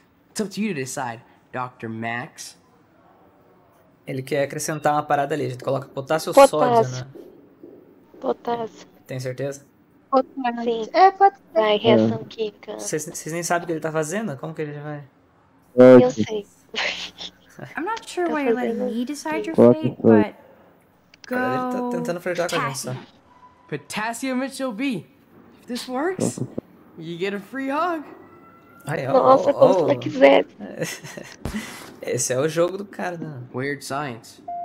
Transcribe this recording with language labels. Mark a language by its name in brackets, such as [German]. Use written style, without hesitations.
[English] It's up to you to decide, Dr. Max. [Portuguese] Ele quer acrescentar uma parada ali. A gente coloca potássio. Sódio, né? Potássio. Tem certeza? Potássio. É, pode ser. Vai, reação química. Vocês nem sabem o que ele tá fazendo? Como que ele vai? Eu sei. [English] I'm not sure why you're letting me decide your fate, but... [Portuguese] Ele tá tentando flertar com a gente, só. [English] Potassium it shall be. If this works, you get a free hug. [Portuguese] Ai, nossa, oh, como você quiser. Esse é o jogo do cara, né? [English] Weird science.